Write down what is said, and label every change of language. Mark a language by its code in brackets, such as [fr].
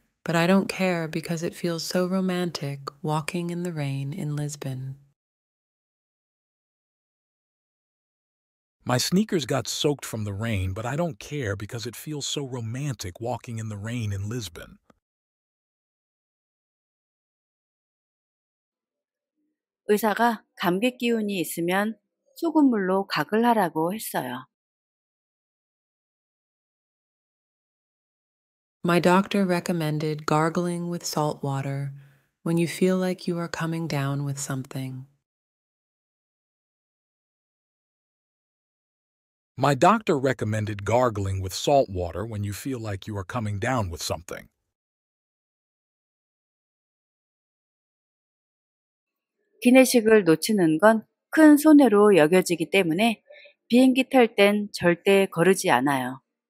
[en] But I don't care because it feels so romantic walking in the rain in Lisbon. My sneakers got soaked from the rain, but I don't care because it feels so romantic walking in the rain in Lisbon. [ko] 의사가 감기 기운이 있으면 소금물로 각을 하라고 했어요. [en] My doctor recommended gargling with salt water when you feel like you are coming down with something. My doctor recommended gargling with salt water when you feel like you are coming down with something. [ko] 기내식을 놓치는 건 큰 손해로 여겨지기 때문에 비행기 탈 땐 절대 거르지 않아요.